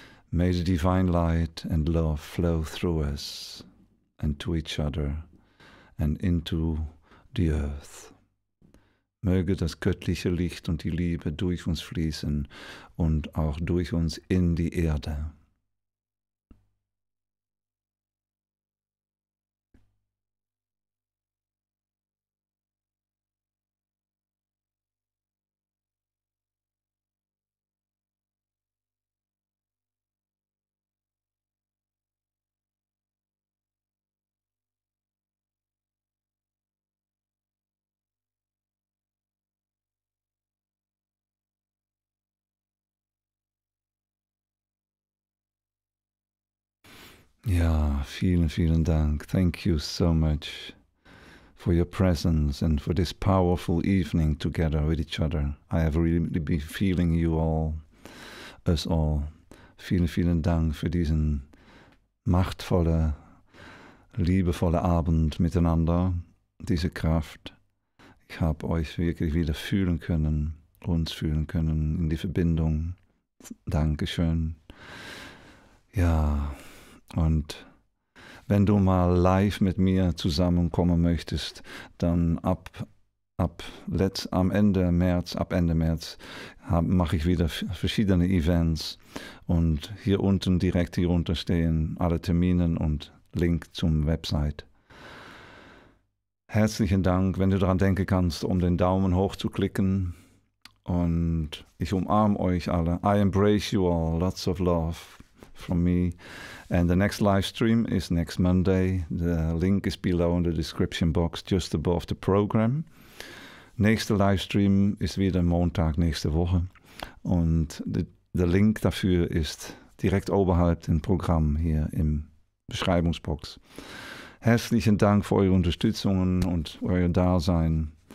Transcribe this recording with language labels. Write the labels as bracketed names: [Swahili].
[English] May the divine light and love flow through us and to each other and into the earth. [German] Möge das göttliche Licht und die Liebe durch uns fließen und auch durch uns in die Erde. Ja, vielen, vielen Dank. [English] Thank you so much for your presence and for this powerful evening together with each other. I have really been feeling you all, us all. [German] Vielen, vielen Dank für diesen machtvollen, liebevollen Abend miteinander, diese Kraft. Ich habe euch wirklich wieder fühlen können, uns fühlen können in die Verbindung. Dankeschön. Ja. Und wenn du mal live mit mir zusammenkommen möchtest, dann ab Ende März mache ich wieder verschiedene Events und hier unten direkt hierunter stehen alle Termine und Link zum Website. Herzlichen Dank, wenn du daran denken kannst, um den Daumen hoch zu klicken. Und ich umarme euch alle. [English] I embrace you all. Lots of love from me. And the next live stream is next Monday. The link is below in the description box, just above the program. [German] Nächste live stream is wieder Montag nächste Woche. Und [English] the link [German] dafür ist direkt oberhalb im Programm hier im Beschreibungsbox. Herzlichen Dank für eure Unterstützungen und euer Dasein.